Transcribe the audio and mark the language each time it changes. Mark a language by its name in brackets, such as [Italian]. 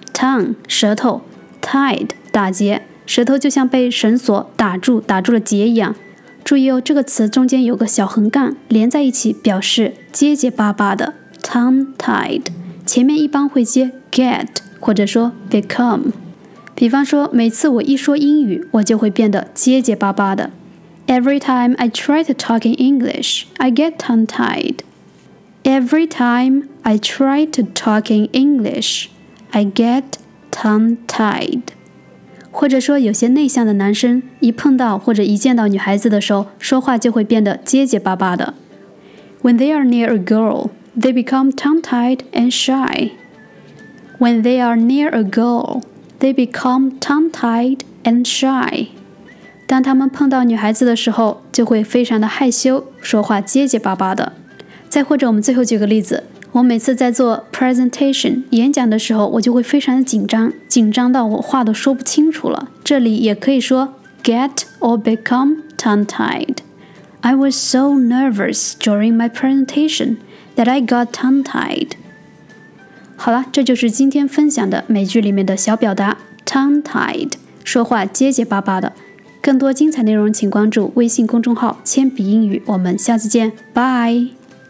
[Chinese] tongue 舌头， tied 打结，舌头就像被绳索打住，打住了结一样。注意哦，这个词中间有个小横杠连在一起，表示结结巴巴的。 tongue-tied 前面一般会接 get 或者说 become。比方说每次我一说英语，我就会变得结结巴巴的。 [English] Every time I try to talk in English, I get tongue-tied. Every time I try to talk in English, I get tongue-tied. [Chinese] 或者说有些内向的男生一碰到或者一见到女孩子的时候，说话就会变得结结巴巴的。 [English] When they are near a girl, they become tongue-tied and shy. When they are near a girl, they become tongue-tied and shy. [Chinese] 当他们碰到女孩子的时候，就会非常的害羞，说话结结巴巴的。再或者我们最后举个例子，我每次在做 presentation 演讲的时候，我就会非常的紧张，紧张到我话都说不清楚了。这里也可以说 get or become tongue-tied. [English] I was so nervous during my presentation that I got tongue-tied. [Chinese] 好了，这就是今天分享的美剧里面的小表达 tongue-tied， 说话结结巴巴的。更多精彩内容请关注微信公众号铅笔英语，我们下次见，拜。